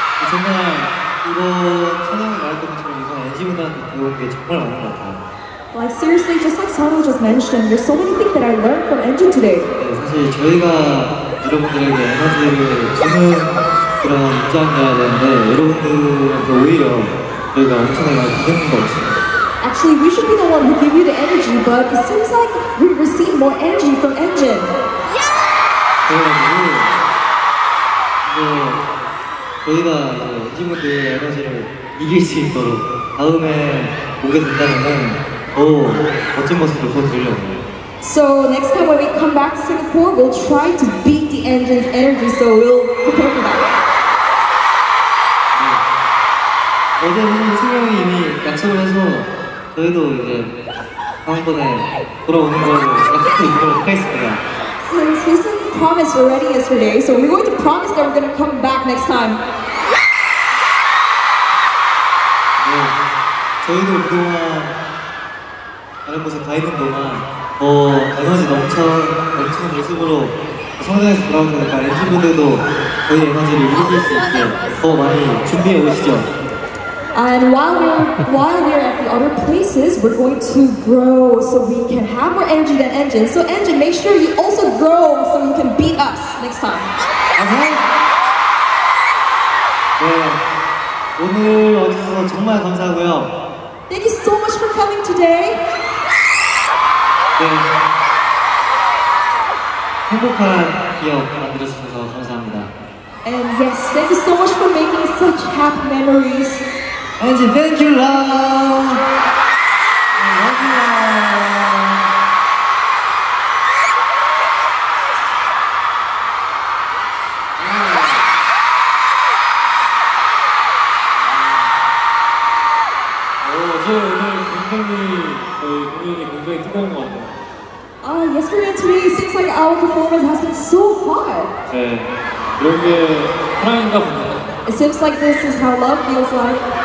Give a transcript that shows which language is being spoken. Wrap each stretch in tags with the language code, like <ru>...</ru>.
<ko>정말 이번 촬영을 말했던 것처럼 이번 엔지분한테 배운 게 정말 많은 것 같아요.</ko> <en>Like seriously, just like Sano just mentioned, there's so many things that I learned from Enjin today.</en> <ko>네, 사실 저희가 여러분들에게 에너지를 주는 그런 입장이어야 되는데 여러분들한테 오히려 저희가 엄청나게 기대하는 것 같습니다.</ko> <en>Actually, we should be the one who give you the energy, but it seems like we receive more energy from Enjin. Yeah!</en> <ko>그래가지고 저희가 엔진분들의 에너지를 이길 수 있도록 다음에 오게 된다면 더 멋진 모습을 보여드리려고 해요.</ko> <en>So next time when we come back to Singapore, we'll try to beat the engine's energy, so we'll prepare for that.</en> <ko>어제 승용이 이미 약속을 해서 저희도 이제 다음번에 돌아오는 걸로 약속을 이루도록 하겠습니다.</ko> <en>Since he promised already yesterday, so we're going to promise that we're going to come back next time.</en> <ko>네, 저희도 그동안 다른 곳에 가 있는 동안 더 에너지 넘치는 모습으로 성장해서 돌아오니까 엔진분들도 저희 에너지를 이루실 수 있게 더 많이 준비해 오시죠.</ko> <en>And while we're at the other places, we're going to grow so we can have more energy than Enjin. So Enjin, make sure you also grow so you can beat us next time. Okay. Thank you so much for coming today.</en> <ko>네. 행복한 기억 만들어주셔서 감사합니다.</ko> <en>And yes, thank you so much for making such happy memories. Enjin, thank you, love! I love you all!</en> <ko>Oh, 어제 오늘 굉장히 저희 공연이 굉장히 뜨거운 것 같아요.</ko> <en>Yesterday and today, it seems like our performance has been so hot.</en> <ko>네, 이런 게 사랑인가 보네요.</ko> <en>It seems like this is how love feels like.</en>